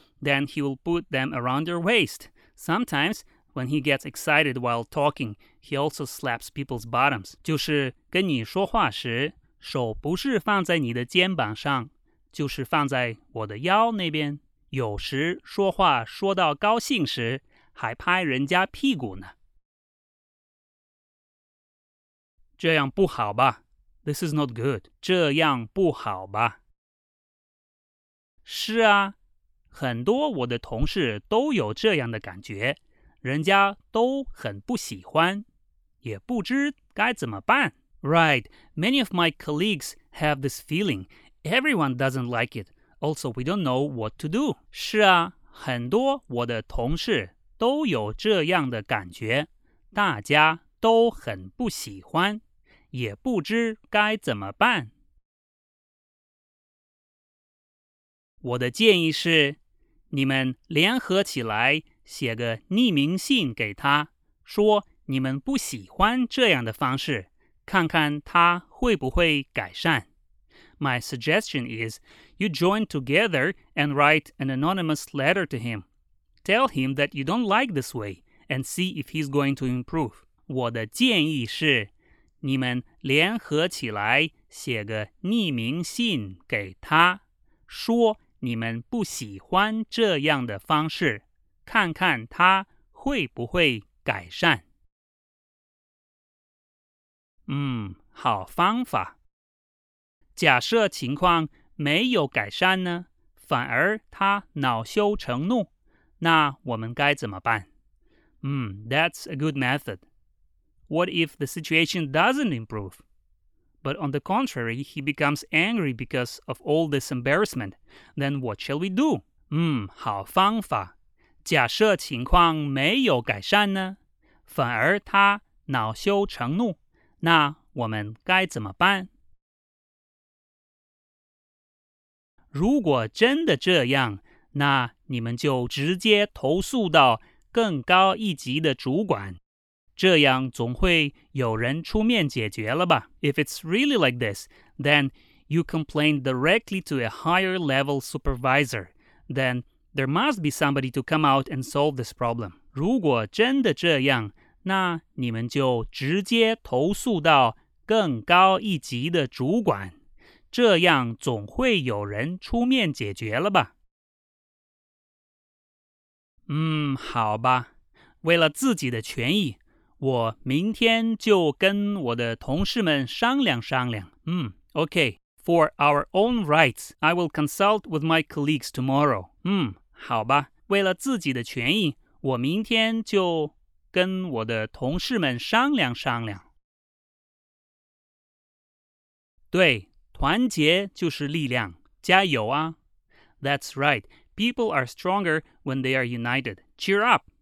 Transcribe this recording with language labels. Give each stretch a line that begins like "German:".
English: then he will put them around your waist Sometimes when he gets excited while talking he also slaps people's bottoms
Chinese: 就是跟你说话时手不是放在你的肩膀上就是放在我的腰那边有时说话说到高兴时还拍人家屁股呢这样不好吧
English: This is not good
Chinese: 这样不好吧是啊很多我的同事都有这样的感觉，人家都很不喜欢，也不知该怎么办。
English: Right, many of my colleagues have this feeling. Everyone doesn't like it. Also, we don't know what to do.
Chinese: 是啊，很多我的同事都有这样的感觉，大家都很不喜欢，也不知该怎么办。我的建议是，你们联合起来写个匿名信给他，说你们不喜欢这样的方式，看看他会不会改善。
English: My suggestion is, you join together and write an anonymous letter to him. Tell him that you don't like this way and see if he's going to improve.
Chinese: 我的建议是，你们联合起来写个匿名信给他，说你们不喜欢这样的方式，看看他会不会改善。好方法。假设情况没有改善呢，反而他恼羞成怒，那我们该怎么办？
English: That's a good method. What if the situation doesn't improve? But on the contrary, he becomes angry because of all this embarrassment. Then what shall we do?
Chinese: 好方法。假设情况没有改善呢，反而他恼羞成怒，那我们该怎么办？如果真的这样，那你们就直接投诉到更高一级的主管，这样总会有人出面解决了吧。
English: If it's really like this, then you complain directly to a higher level supervisor. Then there must be somebody to come out and solve this problem.
Chinese: 如果真的这样，那你们就直接投诉到更高一级的主管，这样总会有人出面解决了吧。好吧，为了自己的权益，我明天就跟我的同事们商量商量。
English: Okay, for our own rights, I will consult with my colleagues tomorrow.
Chinese: 好吧，为了自己的权益，我明天就跟我的同事们商量商量。对，团结就是力量，加油啊。
English: That's right. People are stronger when they are united. Cheer up.